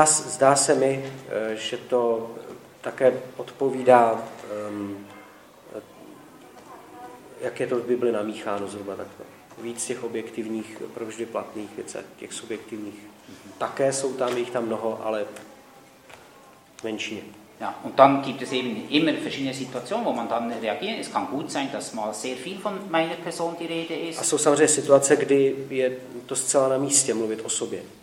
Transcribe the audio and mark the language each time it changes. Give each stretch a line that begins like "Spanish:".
Czech: Zdá se mi, že to také odpovídá, jak je to v Bibli namícháno zhruba takto. Víc těch objektivních, provždy platných věcí, těch subjektivních. Také jsou tam, jich tam mnoho, ale menšině.
German: Ja, und dann gibt es eben immer verschiedene Situationen, wo man dann reagiert. Es kann gut sein, dass mal sehr viel von meiner Person die Rede ist.
Czech: A jsou samozřejmě situace, kdy je to zcela na místě mluvit o sobě.